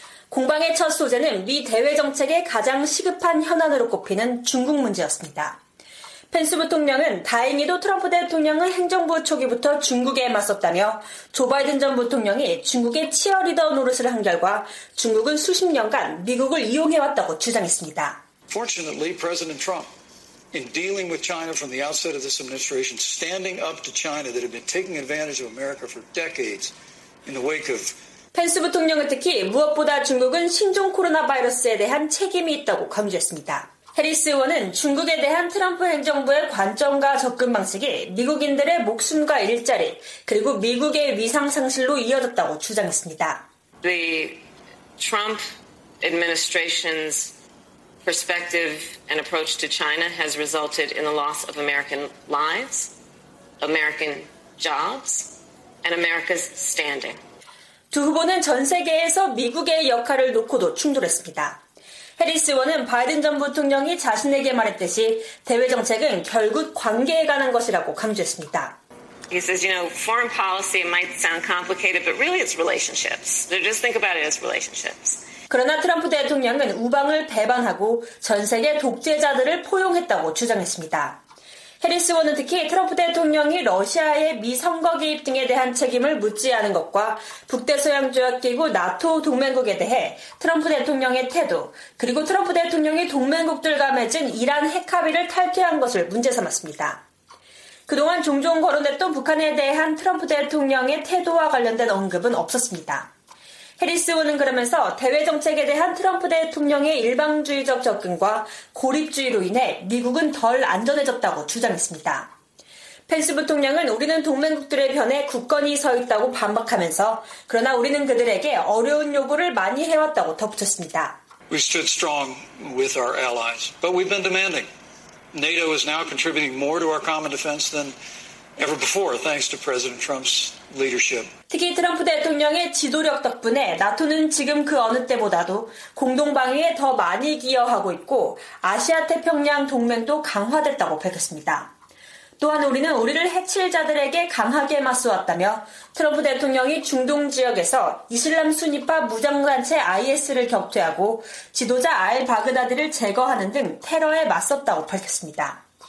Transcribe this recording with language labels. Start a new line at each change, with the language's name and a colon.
Korean: 공방의 첫 소재는 미 대외정책의 가장 시급한 현안으로 꼽히는 중국 문제였습니다. 펜스 부통령은 다행히도 트럼프 대통령은 행정부 초기부터 중국에 맞섰다며 조 바이든 전 부통령이 중국의 치어리더 노릇을 한 결과 중국은 수십 년간 미국을 이용해왔다고 주장했습니다.
English: Fortunately, President Trump, in dealing with China from the outset of this administration, standing up to China that had been taking advantage of America for decades in the wake of
Korean: 펜스 부통령은 특히 무엇보다 중국은 신종 코로나 바이러스에 대한 책임이 있다고 강조했습니다. 해리스 의원은 중국에 대한 트럼프 행정부의 관점과 접근 방식이 미국인들의 목숨과 일자리 그리고 미국의 위상 상실로 이어졌다고 주장했습니다.
English: The Trump administration's perspective and approach to China has resulted in the loss of American lives, American jobs, and America's standing.
Korean: 두 후보는 전 세계에서 미국의 역할을 놓고도 충돌했습니다. 해리스 의원은 바이든 전 부통령이 자신에게 말했듯이 대외 정책은 결국 관계에 관한 것이라고 강조했습니다.
English: He says, you know, foreign policy might sound complicated, but really it's relationships. Just think about it as relationships.
Korean: 그러나 트럼프 대통령은 우방을 배반하고 전 세계 독재자들을 포용했다고 주장했습니다. 해리스 의원은 특히 트럼프 대통령이 러시아의 미 선거 개입 등에 대한 책임을 묻지 않은 것과 북대서양조약기구 나토 동맹국에 대해 트럼프 대통령의 태도 그리고 트럼프 대통령이 동맹국들과 맺은 이란 핵 합의를 탈퇴한 것을 문제 삼았습니다. 그동안 종종 거론했던 북한에 대한 트럼프 대통령의 태도와 관련된 언급은 없었습니다. 해리스 의원은 그러면서 대외정책에 대한 트럼프 대통령의 일방주의적 접근과 고립주의로 인해 미국은 덜 안전해졌다고 주장했습니다. 펜스 부통령은 우리는 동맹국들의 편에 굳건히 서 있다고 반박하면서 그러나 우리는 그들에게 어려운 요구를 많이 해왔다고 덧붙였습니다.
English: We stood strong with our allies, but we've been demanding. NATO is now contributing more to our common defense than ever before, thanks to President Trump's leadership.
Korean: 특히 트럼프 대통령의 지도력 덕분에 나토는 지금 그 어느 때보다도 공동 방위에 더 많이 기여하고 있고 아시아 태평양 동맹도 강화됐다고 밝혔습니다. 또한 우리는 우리를 해칠 자들에게 강하게 맞서왔다며 트럼프 대통령이 중동 지역에서 이슬람 순위파 무장단체 IS를 격퇴하고 지도자 알 바그다디를 제거하는 등 테러에 맞섰다고 밝혔습니다.